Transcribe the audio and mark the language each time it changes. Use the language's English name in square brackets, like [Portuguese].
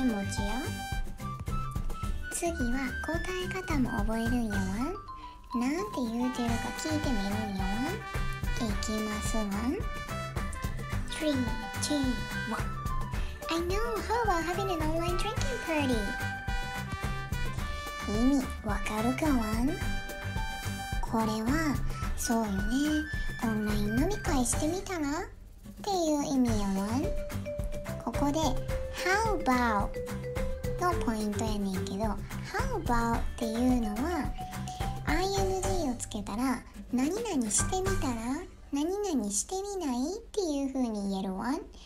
[Japanese] 次は答え方も覚えるんやわ。なんて言うてるか聞いてみるんやわ。いきますわ。 [English] 3, 2, 1。 I know how about having an online drinking party? [Japanese] 意味わかるかわん？これは、そうよね、オンライン飲み会してみたらっていう意味やわん。ここで [English] How about [Japanese] のポイントやねんけど、 How about っていうのは ING をつけたら何々してみたら、何々してみないっていう風に言えるわん。